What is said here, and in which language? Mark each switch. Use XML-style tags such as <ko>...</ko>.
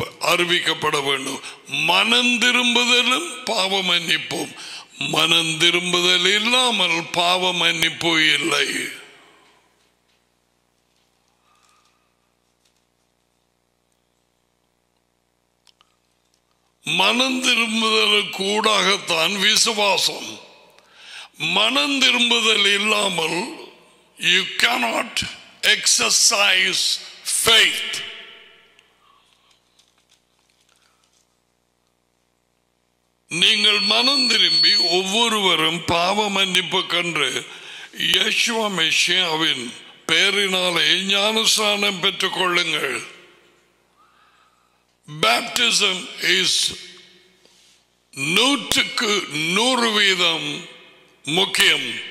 <ta>அறிவிக்கப்பட வேண்டும். மனம் திரும்புதலும் பாவ மன்னிப்பும், மனம் திரும்புதல் இல்லாமல் பாவ மன்னிப்பு இல்லை. மனம் திரும்புதல் கூடாகத்தான் விசுவாசம். மனம் திரும்புதல் இல்லாமல்</ta> <en>you cannot exercise faith.</en> <ta>நீங்கள் மனம் திரும்பி ஒவ்வொருவரும் பாவ மன்னிப்பு கண்டு யேசுவா மெஷியாவின் பெயரினாலே ஞானஸ்நானம் பெற்றுக் கொள்ளுங்கள்.</ta> <en>baptism is</en> <ta>நூற்றுக்கு நூறு வீதம் முக்கியம்.</ta>